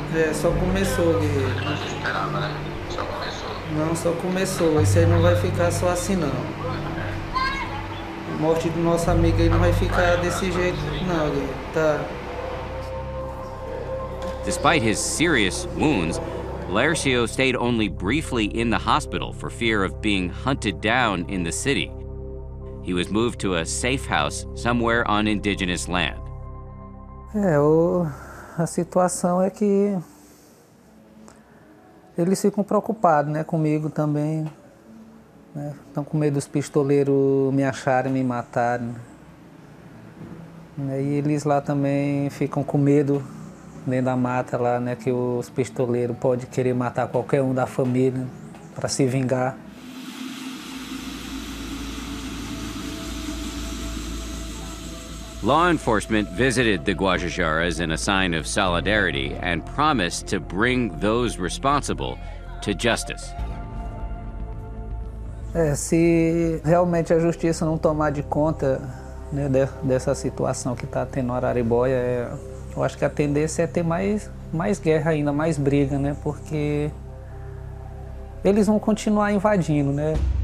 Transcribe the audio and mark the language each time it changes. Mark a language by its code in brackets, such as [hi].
[pt] É, só começou, guerreiro. Não, só começou. Isso aí não vai ficar só assim, não. A morte do nosso amigo aí não vai ficar desse jeito, não, guerreiro. Tá. [en] Despite his serious wounds, Laercio stayed only briefly in the hospital for fear of being hunted down in the city. He was moved to a safe house somewhere on indigenous land. [pt] É, a situação é que eles ficam preocupados, né, comigo também. Estão, né, com medo dos pistoleiros me acharem, me matarem. Né, e eles lá também ficam com medo dentro da mata lá, né, que os pistoleiros podem querer matar qualquer um da família para se vingar. [en] Law enforcement visited the Guajajaras in a sign of solidarity and promised to bring those responsible to justice. [pt] É, se realmente a justiça não tomar de conta, né, dessa situação que está tendo na Araribóia, eu acho que a tendência é ter mais guerra ainda, mais briga, né, porque eles vão continuar invadindo, né?